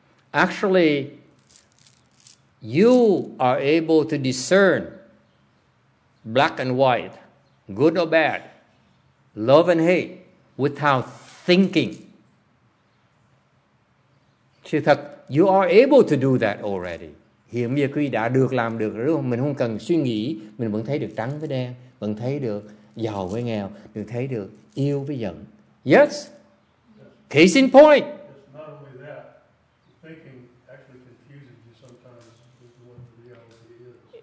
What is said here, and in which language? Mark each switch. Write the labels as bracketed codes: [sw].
[en] Actually, you are able to discern black and white, good or bad, love and hate, without thinking. [vi] Chứ thật, [en] you are able to do that already. [vi] Hiện bây giờ quý vị đã được làm được rồi, mình không cần suy nghĩ, mình vẫn thấy được trắng với đen, vẫn thấy được giàu với nghèo, được thấy được yêu với giận. [en] Yes? Case in point. It's not only that. Thinking actually confuses you sometimes with what the reality is.